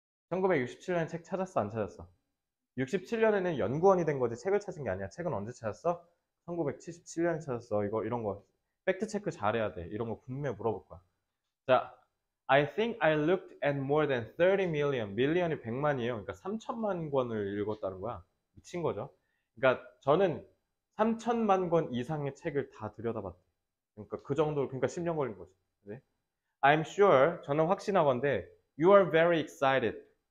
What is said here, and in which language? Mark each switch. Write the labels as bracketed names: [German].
[Korean] 1967년에 책 찾았어? 안 찾았어? 67년에는 연구원이 된 거지 책을 찾은 게 아니야. 책은 언제 찾았어? 1977년에 찾았어. 이거 이런 거 팩트체크 잘해야 돼. 이런 거 분명히 물어볼 거야. [English] 자, I think I looked at more than 30 million. [Korean] 밀리언이 100만이에요. 그러니까 3천만 권을 읽었다는 거야. 미친 거죠. 그러니까 저는 3천만 권 이상의 책을 다 들여다봤대. 그러니까 그 정도로, 그러니까 10년 걸린 거지. 네? [English] I'm sure, [Korean] 저는 확신하건대, [English] you are very excited.